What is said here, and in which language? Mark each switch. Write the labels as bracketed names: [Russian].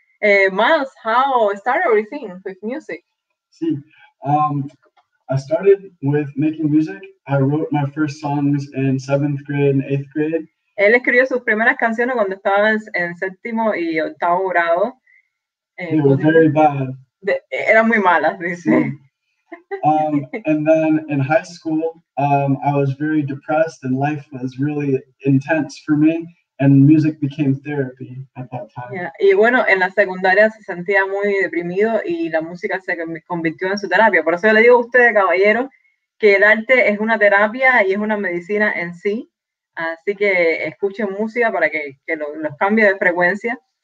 [English] Miles, how started everything with music? Sí. I started with making music. I wrote my first songs in 7th grade and 8th grade. [Spanish] Él escribió sus primeras canciones cuando estaba en séptimo y octavo grado. [English] Very bad. [Spanish] Eran muy malas, dice. Sí. [English] And then in high school, I was very depressed and life was really intense for me. And music became therapy at that time. Yeah. [Spanish] Y bueno, en la secundaria se sentía muy deprimido y la música se convirtió en su terapia. Por eso yo le digo a ustedes, caballero, que el arte es una terapia y es una medicina en sí. Así que escuchen música para que los cambie de frecuencia.